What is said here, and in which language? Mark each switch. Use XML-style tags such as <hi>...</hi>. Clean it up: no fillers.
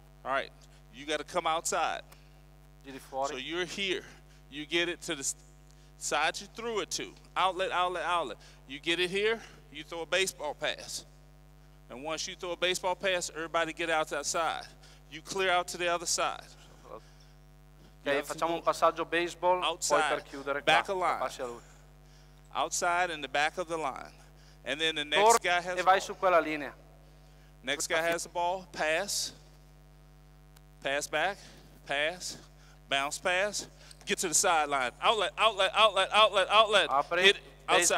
<en>All right, you got to come outside.</en> <it>Giri fuori.</it> <en>So you're here. You get it to the side you threw it to. Outlet, outlet, outlet. You get it here, you throw a baseball pass. And once you throw a baseball pass, everybody get out to that side. You clear out to the other side.</en> <it>Ok, facciamo un passaggio baseball, outside, poi per chiudere qua.</it> <en>Back of line.</en> <it>Passi a lui.</it> <en>Outside in the back of the line. And then the next guy has the ball.</en> <it>E vai su quella linea.</it> <en>Next guy has the ball, pass. Pass back, pass, bounce pass. Get to the sideline. Outlet, outlet, outlet, outlet, outlet.</en> <it>Apri,</it> <en>hit outside,</en>